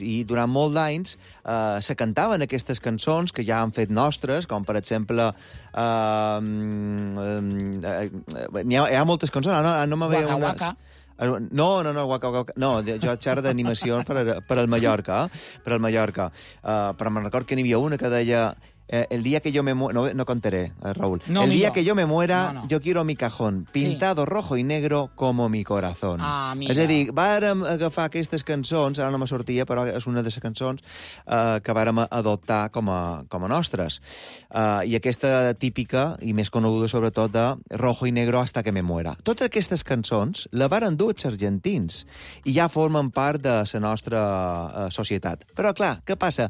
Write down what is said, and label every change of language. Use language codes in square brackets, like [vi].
[ca] I durant molts anys se cantaven aquestes cançons que ja han fet nostres, com per exemple... hi ha moltes cançons, no me veia una... No, jo xerro d'animació per al Mallorca, per al Mallorca. Però me'n record que n'hi havia una que deia... el dia que jo me muera... No contaré, Raúl. No, [es] el dia que jo me muera, jo quiero mi cajón pintado rojo y negro como mi corazón. Ah, [ca] és a dir, vàrem agafar aquestes cançons, ara no me sortia, però és una de les cançons que vàrem adoptar com a nostres. I aquesta típica, i més coneguda sobretot, de rojo y negro hasta que me muera. Totes aquestes cançons la varen dur els argentins i ja formen part de la nostra societat. Però, clar, què passa?